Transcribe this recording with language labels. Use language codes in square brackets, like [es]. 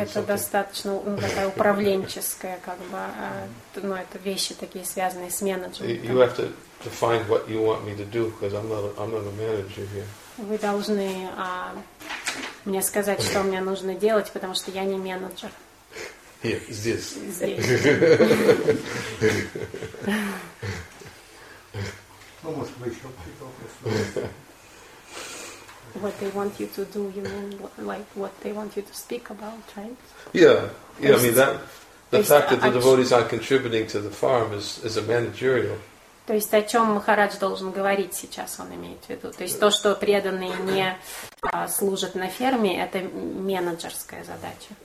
[ru] Это достаточно такая управленческая, как бы, ну это вещи такие связанные с менеджментом. [en] You have to define what you want me to do, because I'm not a manager here. [ru] Вы должны мне сказать, что мне нужно делать, потому что я не менеджер. Yeah, здесь. Здесь. Ну может быть еще какие-то. [en] What they want you to do, you mean like what they want you to speak about, right? Yeah, I mean that the fact that the devotees aren't contributing to the farm is a managerial. [ru] То есть о чем Махарадж должен говорить сейчас, он имеет в виду. То есть то, что преданные не служат на ферме, это менеджерская задача.